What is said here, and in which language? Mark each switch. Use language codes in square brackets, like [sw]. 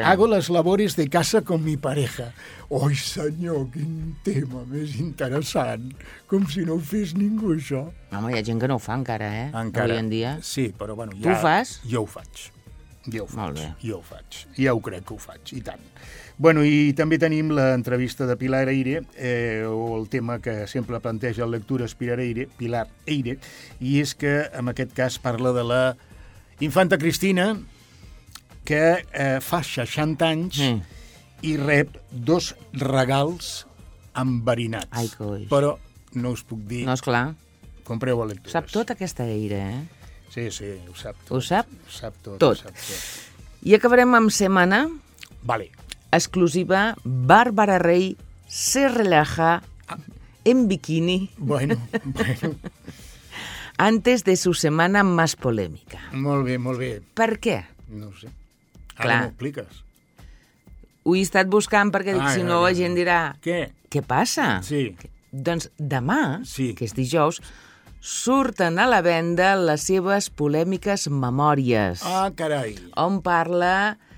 [es] hago las labores de casa con mi pareja. [ca] Oi, senyor, quin tema més interessant. Com si no ho fes ningú, això. Home, hi ha gent que no ho fa encara, eh? Encara. Avui en dia. Sí, però bueno... Tu ho fas? Jo ho faig. Jo ho faig. Molt bé. Jo ho faig. Ja ho crec que ho faig, i tant. Bueno, i també tenim l'entrevista de Pilar Eire, o el tema que sempre planteja el Lectures Pilar Eire, i és que en aquest cas parla de la infanta Cristina, que fa 60 anys i rep 2 regals enverinats. Ai, coix. Però no us puc dir... No, esclar. Compreu a Lectures. Sap tot aquesta Eire, eh? Sí, sí, ho sap tot. Ho sap? Ho sap tot. Tot. Ho sap tot. I acabarem amb Setmana. Vale. [es] Exclusiva, Bárbara Rey se relaja en bikini. [ca] Bueno, bueno. [es] Antes de su semana más polémica. [ca] Molt bé, molt bé. Per què? No ho sé. Ara m'ho expliques. Ho he estat buscant perquè dic, si no, la gent dirà... Què? Què passa? Sí. Doncs demà, sí, que és dijous, surten a la venda les seves polèmiques memòries. Ah, carai. On parla...